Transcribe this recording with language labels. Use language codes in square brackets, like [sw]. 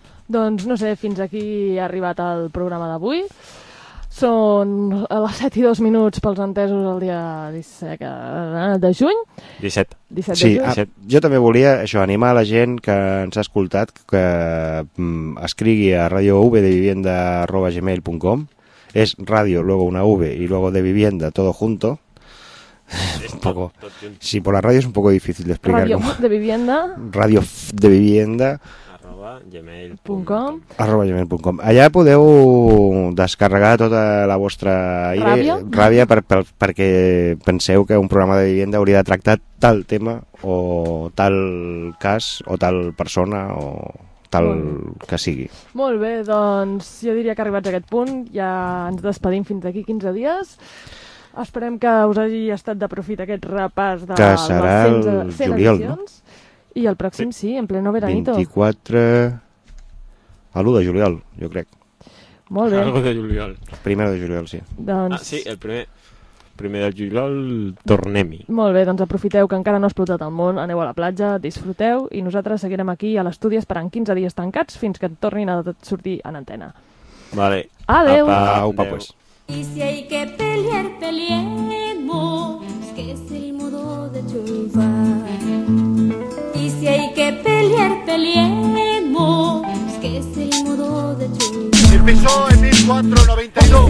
[ca] Doncs no sé, fins aquí ha arribat el programa d'avui. Són a les 7 i 2 minuts pels entesos el dia 17 de juny. 17. 17 sí, de juny. Jo també volia això animar la gent que ens ha escoltat que escrigui a radiouvdevivienda@gmail.com. [es] És ràdio, luego una V y luego de vivienda, todo junto. Un poco. Sí, por la radio es un poco difícil de explicar. Radio de vivienda. Radio de vivienda. @gmail.com. [ca] @gmail.com. Allà podeu descarregar tota la vostra ràbia perquè penseu que un programa de vivienda hauria de tractar tal tema o tal cas o tal persona o... tal que sigui. Molt bé, doncs jo diria que arribats a aquest punt ja ens despedim fins d'aquí 15 dies. Esperem que us hagi estat de profit aquest repàs de que serà el juliol, no? I el pròxim sí, [es] en pleno veranito. [ca] 24... a l'1 de juliol, jo crec. Molt bé. Algo de juliol. Primer de juliol, sí. Doncs... Ah, sí, el primer... Primer de juliol, tornem-hi. Molt bé, doncs aprofiteu que encara no ha explotat el món, aneu a la platja, disfruteu i nosaltres seguirem aquí a l'estudi esperant 15 dies tancats fins que tornin a sortir en antena. Vale. Adeu. Apau, papus. Pues. [es] Y si hay que pelear, peleemos, que es el modo de triunfar. Y si hay que pelear, peleemos, que es el modo de triunfar. El piso es 1492.